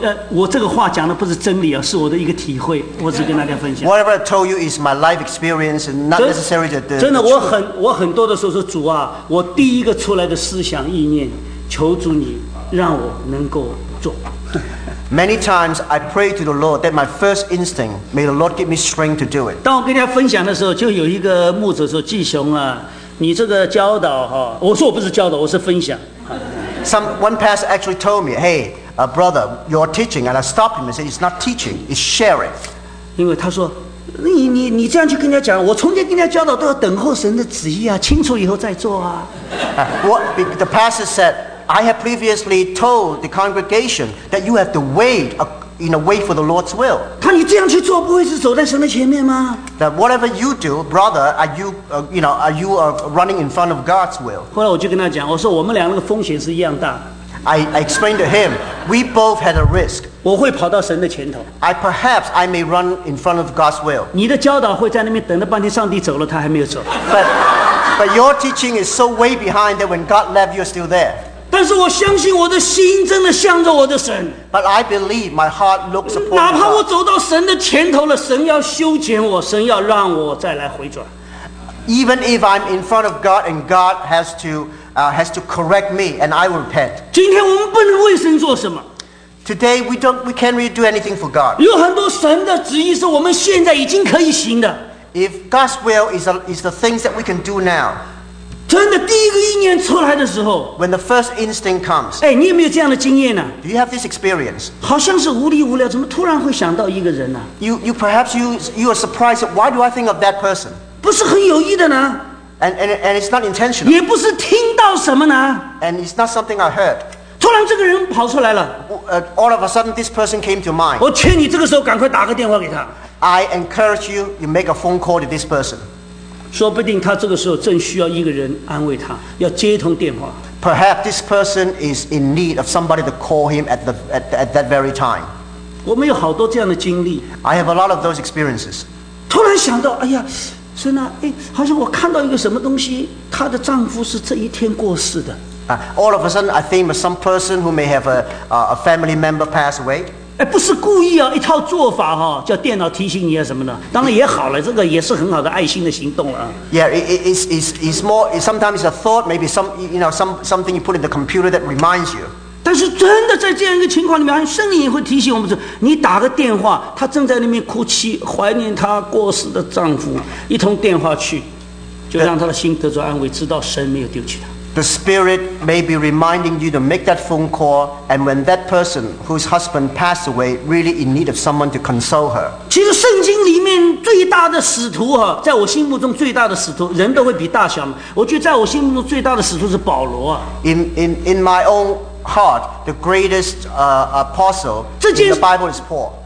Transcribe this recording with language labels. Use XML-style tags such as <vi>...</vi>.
<zh>我这个话讲的不是真理啊，是我的一个体会，我只跟大家分享。</zh> <en>Whatever I told you is my life experience, and not necessarily the truth.</en> <zh>真的，我很多的时候说，主啊，我第一个出来的思想意念，求主你让我能够做。</zh> <en>Many times I pray to the Lord that my first instinct may the Lord give me strength to do it.</en> <zh>当我跟大家分享的时候，就有一个牧者说：“季雄啊，你这个教导哈，我说我不是教导，我是分享。</zh> <en>”One pastor actually told me, "Hey." A brother, you're teaching, and I stopped him and said, "It's not teaching; it's sharing." Because he said, "You</en> <zh>这样去跟人家讲，我从前跟人家教导都要等候神的旨意啊，清楚以后再做啊。</zh> <en>The pastor said, "I have previously told the congregation that you have to wait, wait for the Lord's will."</en> <zh>他你这样去做，不会是走在神的前面吗</zh> <en>？That whatever you do, brother, are you running in front of God's will?</en> <zh>后来我就跟他讲，我说我们两个风险是一样大。</zh> <en>I explained to him, we both had a risk.</en> <zh>我会跑到神的前头。</zh> <en>Perhaps I may run in front of God's will.</en> <zh>你的教导会在那边等了半天，上帝走了，他还没有走。</zh> <en>But your teaching is so way behind that when God left, you're still there.</en> <zh>但是我相信我的心真的向着我的神。</zh> <en>But I believe my heart looks upon God.</en> <zh>哪怕我走到神的前头了，神要修剪我，神要让我再来回转。</zh> <en>Even if I'm in front of God and God has to correct me and I will repent.</en> <zh>今天我们不能为神做什么。</zh> <en>Today we can't really do anything for God.</en> <zh>有很多神的旨意是我们现在已经可以行的。</zh> <en>If God's will is the things that we can do now.</en> <zh>真的第一个意念出来的时候。</zh> <en>When the first instinct comes.</en> <zh>哎，你有没有这样的经验呢？</zh> <en>Do you have this experience?</en> <zh>好像是无理无聊，怎么突然会想到一个人呢？</zh> <en>You perhaps you are surprised. Why do I think of that person?</en> <zh>不是很有意的呢。</zh> <en>And it's not intentional.</en> <zh>也不是听到什么呢</zh> <en>？And it's not something I heard.</en> <zh>突然这个人跑出来了。</zh> <en>All of a sudden, this person came to mind.</en> <zh>我劝你这个时候赶快打个电话给他。</zh> <en>I encourage you, you make a phone call to this person.</en> <zh>说不定他这个时候正需要一个人安慰他，要接通电话。</zh> <en>Perhaps this person is in need of somebody to call him at that very time.</en> <zh>我们有好多这样的经历。</zh> <en>I have a lot of those experiences.</en> <zh>突然想到，哎呀。所以呢，哎，好像我看到一个什么东西，她的丈夫是这一天过世的。</zh> <en>All of a sudden, I think of some person who may have a family member pass away.</en> <zh>哎，不是故意啊，一套做法哈、哦，叫电脑提醒你啊什么的。当然也好了，这个也是很好的爱心的行动了、啊。</zh> <en>Yeah, it's more. It sometimes it's a thought, maybe something you put in the computer that reminds you.</en> <zh>但是真的在这样一个情况里面，圣灵会提醒我们说：你打个电话，她正在那边哭泣，怀念她过世的丈夫。一通电话去，就让她的心得着安慰，知道神没有丢弃她。</zh> <en>The spirit may be reminding you to make that phone call, and when that person whose husband passed away really in need of someone to console her.</en> <zh>其实圣经里面最大的使徒哈、啊，在我心目中最大的使徒，人都会比大小嘛。我觉得在我心目中最大的使徒是保罗、啊。</zh> <en>In my own heart, the greatest apostle in the Bible is Paul.</en>